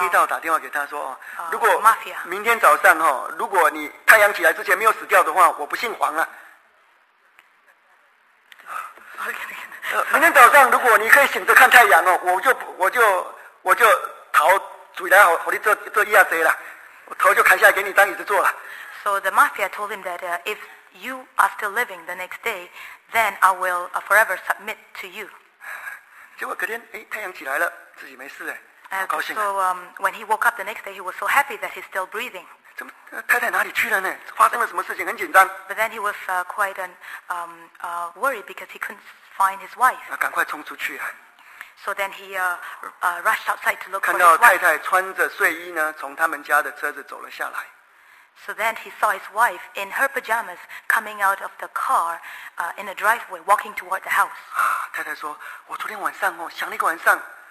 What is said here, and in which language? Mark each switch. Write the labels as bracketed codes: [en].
[zh] 黑道打电话给他说，如果 mafia 明天早上哦，如果你太阳起来之前没有死掉的话，我不姓黄啊。明天早上，如果你可以醒着看太阳哦，我就头嘴来好，好你做一下贼了，我头就砍下来给你当椅子坐了。 [en] So the mafia told him that if you are still living the next day, then I will forever submit to you. [zh] 结果隔天，哎，太阳起来了，自己没事哎。 [en] So when he woke up the next day, he was so happy that he's still breathing. [zh] 太太哪里去了呢？发生了什么事情？很紧张。 [en] But then he was quite worried because he couldn't find his wife. [zh] 赶快冲出去啊！ [en] So then he rushed outside to look for his wife. [zh] 看到太太穿着睡衣呢，从他们家的车子走了下来。 [en] So then he saw his wife in her pajamas coming out of the car in a driveway, walking toward the house. [zh] 太太说：“我昨天晚上哦，想了一个晚上。”